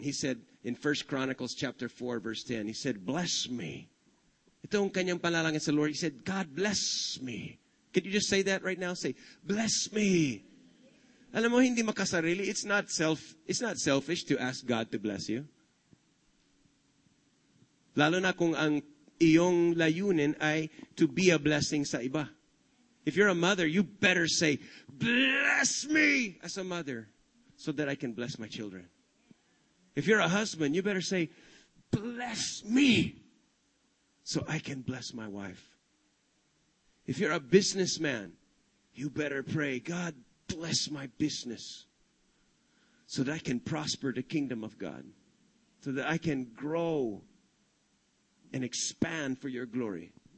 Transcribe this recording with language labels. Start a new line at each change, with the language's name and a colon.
English: He said in 1 Chronicles chapter 4, verse 10, he said, bless me.
Filipino: Ito yung kanyang panalangin sa Lord.
English: He said, God, bless me. Could you just say that right now? Say, bless me.
Filipino: Alam mo, hindi makasarili.
English: It's not selfish to ask God to bless you.
Filipino: Lalo na kung ang iyong layunin ay
English: to be a blessing
Filipino: sa iba.
English: If you're a mother, you better say, bless me as a mother so that I can bless my children. If you're a husband, you better say, bless me so I can bless my wife. If you're a businessman, you better pray, God, bless my business so that I can prosper the kingdom of God, so that I can grow and expand for your glory.